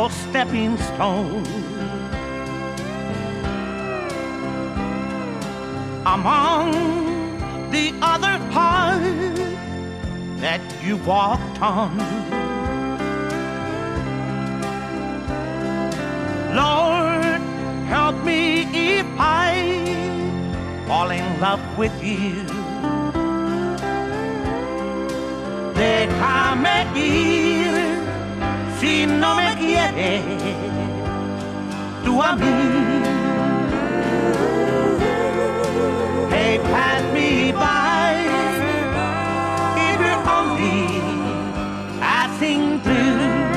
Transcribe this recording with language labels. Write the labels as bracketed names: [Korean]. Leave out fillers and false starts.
[English] Stepping stone among the other path that you walked on. Lord, help me if I fall in love with you. [Spanish] Déjame ir si no me quieres tú a mí. [English] Hey, pass me by, if you're only passing through.